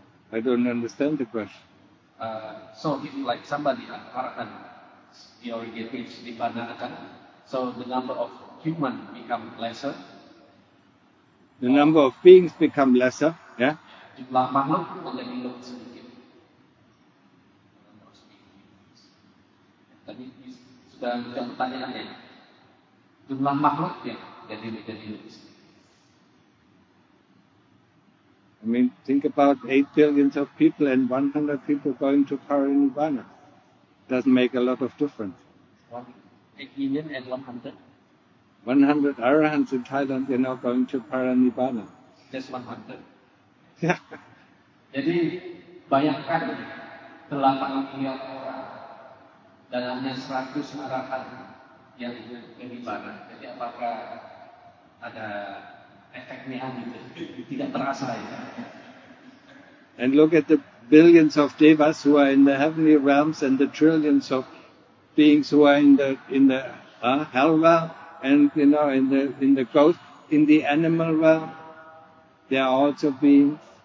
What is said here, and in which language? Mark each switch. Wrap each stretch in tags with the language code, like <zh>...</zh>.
<en>I don't understand the question. So if like somebody Arahant, he already reached Nirvana, kan? So the number of human become lesser. The number of beings become lesser, yeah?</en> <id>Jumlah makhluk menjadi lebih sedikit. Tadi sudah ada pertanyaan ya. Jumlah makhluk ya jadi menjadi lebih sedikit.</id> <en>I mean, think about 8 billion of people and 100 people going to Parinirvana. Doesn't make a lot of difference. 8 million and 100? 100 Arahants in Thailand, they're now going to Parinirvana. Just 100? Yeah.</en> <id>Jadi, bayangkan 8 miliar orang dan hanya 100 Arahant yang Parinirvana. Jadi, apakah ada efeknya gitu? Tidak terasa ya.</id> <en>And look at the billions of devas who are in the heavenly realms and the trillions of beings who are in the hell realm. And you know, in the ghost, in the animal realm, there are also beings.</en>